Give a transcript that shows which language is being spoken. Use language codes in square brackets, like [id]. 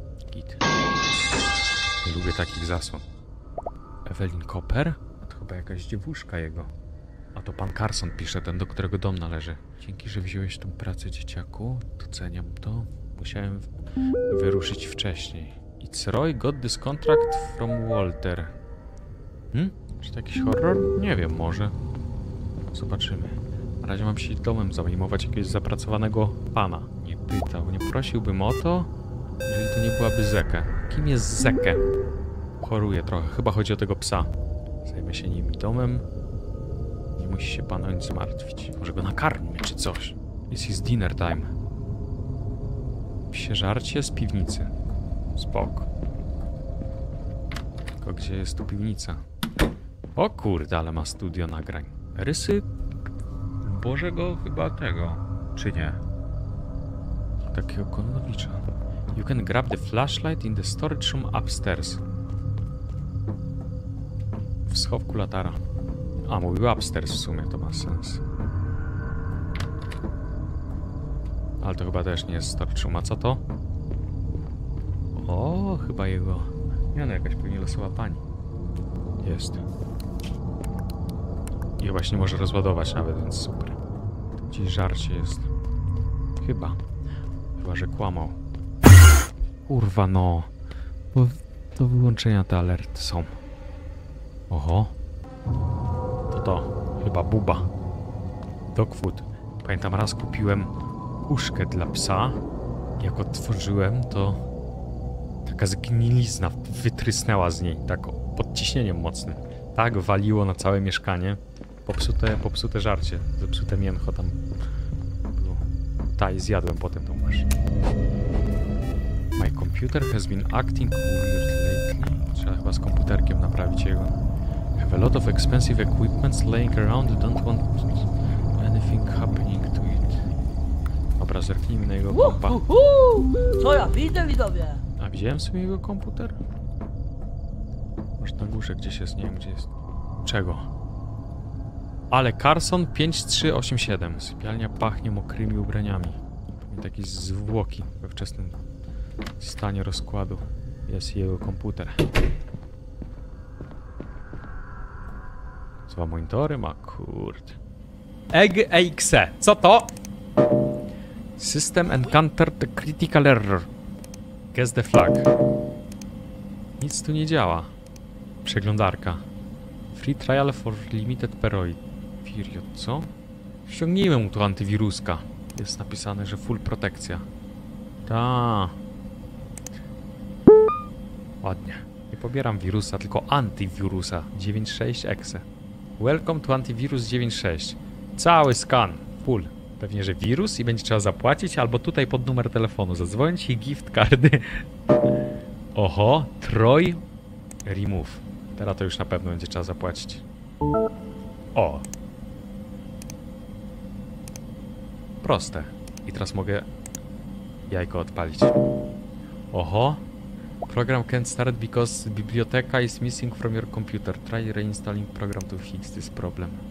[pl] Git. Nie lubię takich zasłon. Evelyn Cooper? A to chyba jakaś dziewuszka jego. A to pan Carson pisze, ten, do którego dom należy. Dzięki, że wziąłeś tą pracę, dzieciaku. Doceniam to. Musiałem wyruszyć wcześniej. [en] It's Roy, got this contract from Walter. [pl] Hm? Czy to jakiś horror? Nie wiem, może. Zobaczymy. Na razie mam się domem zajmować jakiegoś zapracowanego pana. Nie pytał, nie prosiłbym o to, jeżeli to nie byłaby Zeke. Kim jest Zeke? Choruje trochę. Chyba chodzi o tego psa. Zajmę się nim domem. Nie musi się pan o nic martwić. Może go nakarmię czy coś. [en] This is dinner time. [pl] Psie żarcie z piwnicy. Spok. Tylko gdzie jest tu piwnica? O kurde, ale ma studio nagrań. Rysy Bożego chyba tego. Czy nie? Takiego konnowicza. [en] You can grab the flashlight in the storage room upstairs. [pl] W schowku latara. A, mówił upstairs, w sumie to ma sens. Ale to chyba też nie jest starczą. A co to? O, chyba jego. Nie, no jakaś pewnie losowa pani. Jest. I właśnie może rozładować nawet, więc super. Gdzieś żarcie jest. Chyba. Chyba, że kłamał. Kurwa no. Bo do wyłączenia te alerty są. Oho. To chyba buba. [en] Dog food. [pl] Pamiętam, raz kupiłem puszkę dla psa. Jak otworzyłem, to taka zgnilizna wytrysnęła z niej, tak pod ciśnieniem mocnym. Tak waliło na całe mieszkanie. Popsute żarcie, zepsute mięcho tam było. Tak, i zjadłem potem tą maszynę. [en] My computer has been acting weird lately. [pl] Trzeba chyba z komputerkiem naprawić jego. [en] Have a lot of expensive equipment laying around. Don't want anything happening to it. [pl] Dobra, zerknijmy na jego kompa. Co ja widzę, widzowie? A widziałem sobie jego komputer? Może na górze gdzieś jest, nie wiem gdzie jest. Czego? Ale Carson 5387. Sypialnia pachnie mokrymi ubraniami. Takie zwłoki we wczesnym stanie rozkładu. Jest jego komputer. Dwa monitory ma, kurde. Egg AXE. Co to? [en] System encountered critical error. Guess the flag. [pl] Nic tu nie działa. Przeglądarka. [en] Free trial for limited period. [pl] Co? Ściągnijmy mu tu antywiruska. Jest napisane, że full protekcja. Ta. Ładnie. Nie pobieram wirusa, tylko antywirusa. 96XE. [en] Welcome to antivirus 96. [pl] Cały skan, [en] full. [pl] Pewnie, że wirus i będzie trzeba zapłacić, albo tutaj pod numer telefonu zadzwonić i gift cardy. Oho, Troy remove. Teraz to już na pewno będzie trzeba zapłacić. O. Proste. I teraz mogę jajko odpalić. Oho. [en] Program can't start because biblioteka is missing from your computer. Try reinstalling program to fix this problem.